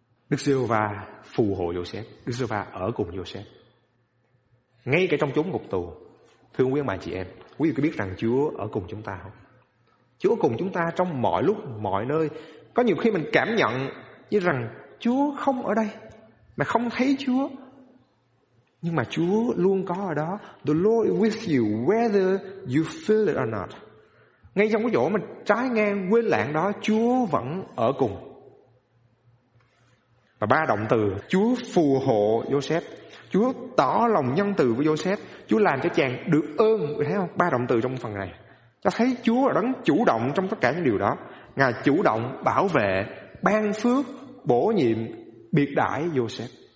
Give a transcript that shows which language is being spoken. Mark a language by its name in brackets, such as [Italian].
[Vietnamese] Đức Giê-hô-va phù hộ Joseph, Đức Giê-hô-va ở cùng Joseph, ngay cả trong chốn ngục tù. Thưa quý ông bà chị em, quý vị có biết rằng Chúa ở cùng chúng ta không? Chúa ở cùng chúng ta trong mọi lúc, mọi nơi. Có nhiều khi mình cảm nhận như rằng Chúa không ở đây, mà không thấy Chúa. Nhưng mà Chúa luôn có ở đó. [English] The Lord is with you whether you feel it or not. [Vietnamese] Ngay trong cái chỗ mình trái ngang, quên lãng đó, Chúa vẫn ở cùng. Và ba động từ: Chúa phù hộ Joseph, Chúa tỏ lòng nhân từ với Joseph, Chúa làm cho chàng được ơn. Thấy không? Ba động từ trong phần này. Ta thấy Chúa là đấng chủ động trong tất cả những điều đó. Ngài chủ động bảo vệ, ban phước, bổ nhiệm, biệt đãi Joseph.